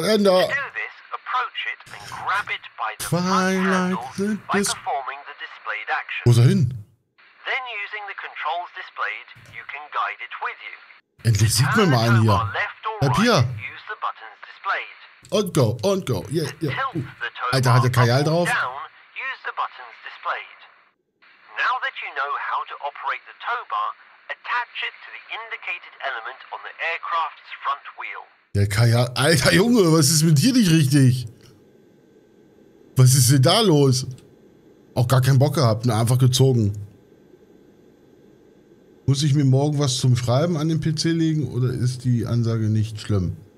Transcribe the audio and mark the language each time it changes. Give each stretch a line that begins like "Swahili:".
English: do this, approach it and grab it by the front handle by performing the displayed action.
German: Wo ist er hin?
English: Then using the controls displayed, you can guide it with you.
German: Endlich sieht man mal einen hier. Bleib hier.
English: Use the buttons displayed. Und go, yeah, yeah.
German: Alter, hat der Kajal drauf?
English: Down, use the buttons displayed. Now that you know how to operate the tow bar, attach it to the indicated element on the aircraft's front wheel.
German: Der Kajal, Alter Junge, was ist mit dir nicht richtig? Was ist denn da los? Auch gar keinen Bock gehabt, ne, einfach gezogen. Muss ich mir morgen was zum Schreiben an den PC legen oder ist die Ansage nicht schlimm?